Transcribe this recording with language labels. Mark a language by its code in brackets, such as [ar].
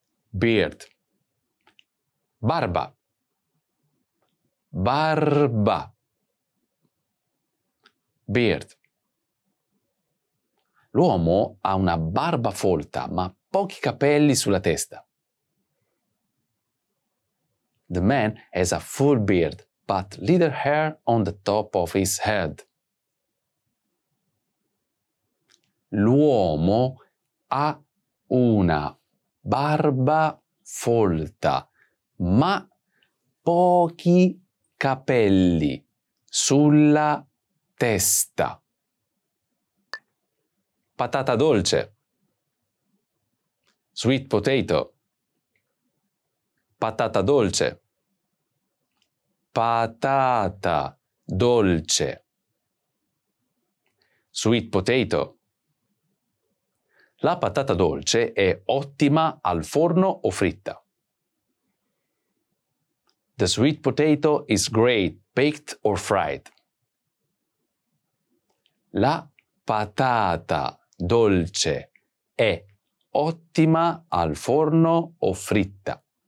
[en] Beard. Barba. barba, beard. [it] L'uomo ha una barba folta, ma pochi capelli sulla testa. [en] The man has a full beard, but little hair on the top of his head. [it] L'uomo ha una barba folta, ma pochi capelli sulla testa. Patata dolce. [en] Sweet potato. [it] Patata dolce. Patata dolce. [en] Sweet potato. [it] La patata dolce è ottima al forno o fritta. [en] The sweet potato is great baked or fried. [it] La patata dolce è ottima al forno o fritta.